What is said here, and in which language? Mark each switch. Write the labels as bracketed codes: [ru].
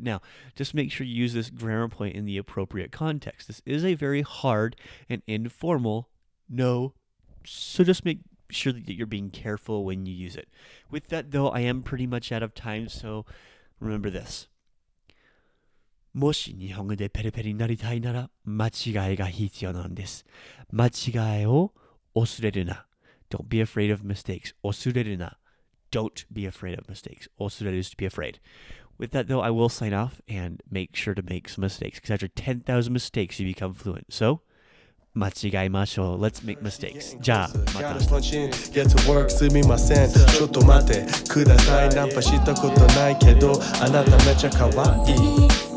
[en] Now, just make sure you use this grammar point in the appropriate context. This is a very hard and informal no, so just make sure that you're being careful when you use it. With that, though, I am pretty much out of time, so remember this. [ja] もし日本語でペリペリになりたいなら間違いが必要なんです。間違いを恐れるな。 [en] Don't be afraid of mistakes. [ja] 恐れるな。 [en] Don't be afraid of mistakes. 恐れる is to be afraid. With that though, I will sign off and make sure to make some mistakes. Because after 10,000 mistakes, you become fluent. So... [ja] 間違いましょう。 [en] Let's make mistakes. [ja] じゃあ、また。 [en] Get to work, [ja] すみません。ちょっと待ってください。ナンパしたことないけど、あなためちゃ可愛い。